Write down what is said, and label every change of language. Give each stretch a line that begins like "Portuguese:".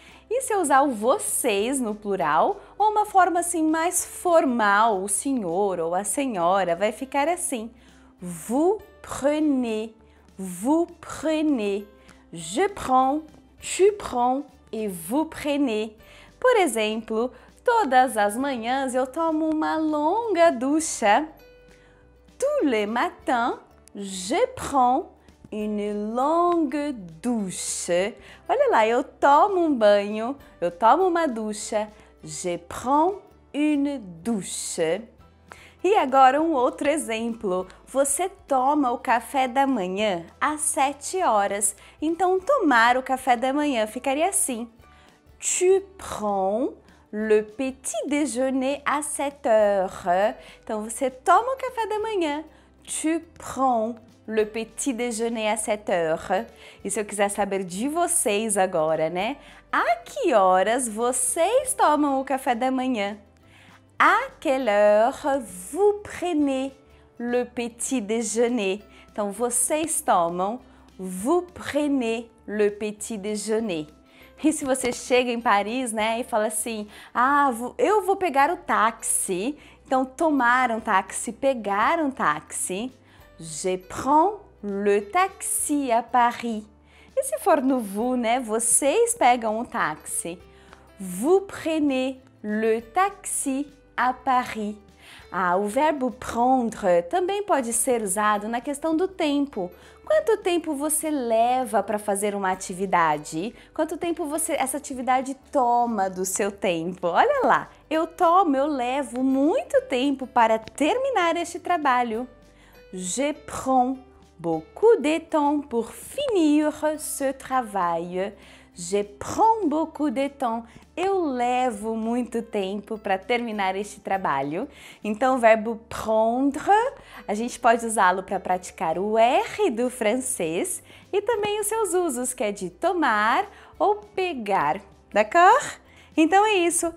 Portuguese: E se eu usar o vocês no plural ou uma forma assim mais formal, o senhor ou a senhora, vai ficar assim.
French: Vous prenez. Vous prenez. Je prends. Tu prends. Et vous prenez.
Portuguese: Por exemplo, todas as manhãs eu tomo uma longa ducha.
French: Tous les matins, je prends une longue douche.
Portuguese: Olha lá, eu tomo um banho, eu tomo uma ducha.
French: Je prends une douche.
Portuguese: E agora um outro exemplo. Você toma o café da manhã às 7 horas. Então, tomar o café da manhã ficaria assim.
French: Tu prends le petit déjeuner à 7 heures.
Portuguese: Então você toma o café da manhã.
French: Tu prends le petit déjeuner à 7 heures.
Portuguese: E se eu quiser saber de vocês agora, né? A que horas vocês tomam o café da manhã?
French: À quelle heure vous prenez le petit déjeuner?
Portuguese: Então vocês tomam,
French: vous prenez le petit déjeuner.
Portuguese: E se você chega em Paris, né, e fala assim: ah, eu vou pegar o táxi. Então, tomar um táxi, pegar um táxi.
French: Je prends le taxi à Paris.
Portuguese: E se for no vous, né, vocês pegam o táxi.
French: Vous prenez le taxi à Paris.
Portuguese: Ah, o verbo prendre também pode ser usado na questão do tempo. Quanto tempo você leva para fazer uma atividade? Quanto tempo essa atividade toma do seu tempo? Olha lá, eu levo muito tempo para terminar este trabalho.
French: Je prends beaucoup de temps pour finir ce travail. Je prends beaucoup de temps.
Portuguese: Eu levo muito tempo para terminar este trabalho. Então, o verbo prendre, a gente pode usá-lo para praticar o R do francês e também os seus usos, que é de tomar ou pegar. D'accord? Então é isso.